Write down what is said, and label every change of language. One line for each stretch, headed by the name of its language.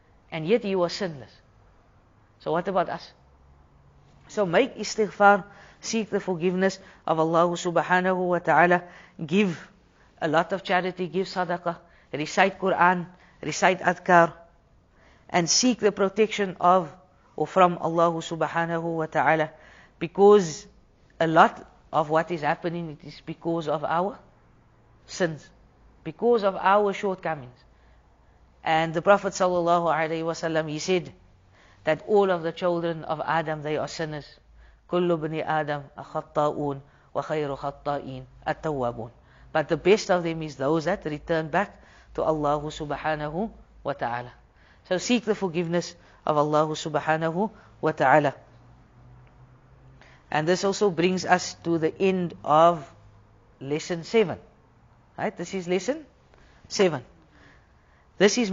English: And yet he was sinless. So what about us? So make istighfar, seek the forgiveness of Allah subhanahu wa ta'ala, give a lot of charity, give sadaqah, recite Quran, recite adhkar, and seek the protection of or from Allah subhanahu wa ta'ala, because a lot of what is happening, it is because of our sins, because of our shortcomings. And the Prophet sallallahu alayhi wa sallam, he said that all of the children of Adam, they are sinners.
Arabic: كل ابن آدم خطاؤون وخير خطائين التوابون.
English: But the best of them is those that return back to Allah subhanahu wa ta'ala. So seek the forgiveness of Allah subhanahu wa ta'ala. And this also brings us to the end of lesson 7. Right? This is lesson 7. This is my